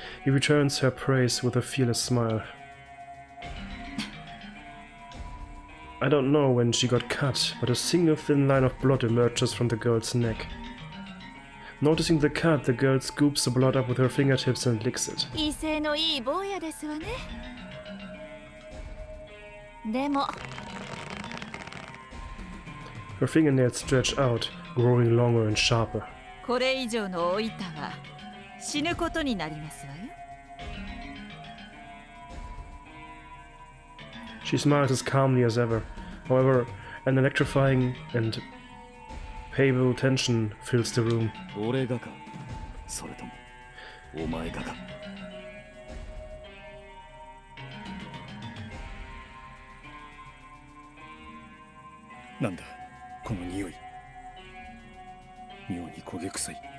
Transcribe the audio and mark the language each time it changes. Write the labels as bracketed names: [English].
[English] He returns her praise with a fearless smile. I don't know when she got cut, but a single thin line of blood emerges from the girl's neck. Noticing the cut, the girl scoops the blood up with her fingertips and licks it. [Japanese] 威勢のいい坊やですわね。でも。 [English] Her fingernails stretch out, growing longer and sharper. [Japanese] これ以上の老いたは死ぬことになりますわよ。 [English] She smiles as calmly as ever. However, an electrifying and payable tension fills the room. [Japanese] 俺がか、それともお前がか。なんだこの匂い、妙に焦げ臭い。